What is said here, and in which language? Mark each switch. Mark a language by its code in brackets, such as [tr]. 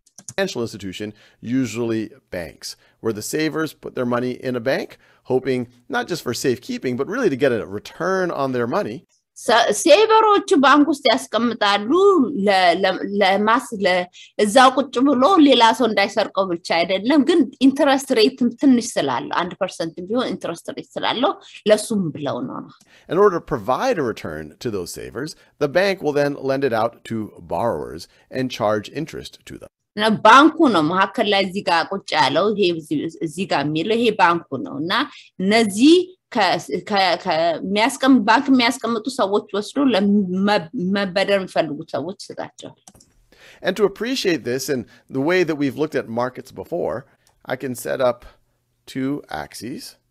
[en] Financial institution, usually banks, where the savers put their money in a bank, hoping not just for safekeeping, but really to get a return on their money. [am] ሴቨሮቹ ባንክ ውስጥ ያስቀምጣሉ ለእዛው ቁጭ ብሎ ሌላ ሰው እንዳይሰርቀው ብቻ አይደለም ግን ኢንትረስት ሬትም ትንሽ ስላለው 1% ቢሆን ኢንትረስት ሬት ስላለው ለሱም ብለው ነው ነው [en] In order to provide a return to those savers, the bank will then lend it out to borrowers and charge interest to them. [am] እና ባንኩ ነው መሐከል ላይ እዚህ ጋር ቁጭ ያለው ይሄ እዚህ ጋር የሚለው ይሄ ባንኩ ነው እና እነዚህ ከሚያስቀም ባንክ የሚያስቀምጡ ሰዎች ወስዶ ለመበደር የሚፈልጉ ሰዎች ስጣቸው [en] And to appreciate this and the way that we've looked at markets before, I can set up two axes